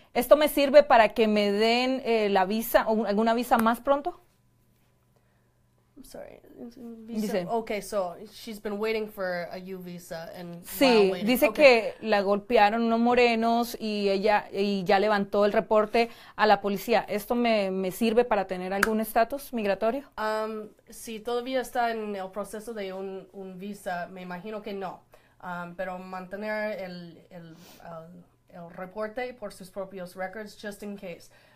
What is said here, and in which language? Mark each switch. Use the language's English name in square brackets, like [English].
[Spanish] ¿Esto me sirve para que me den la visa o alguna visa más pronto? [English] Sorry, visa. [Spanish] Dice. [English] Okay, so she's been waiting for a U visa and while [Spanish] Sí, [English] waiting. [Spanish] dice [English] Okay. [Spanish] que la golpearon unos morenos y ya levantó el reporte a la policía. ¿Esto me sirve para tener algún estatus migratorio? Si todavía está en el proceso de un visa, me imagino que no. Pero mantener el reporte por sus propios records, [English] just in case.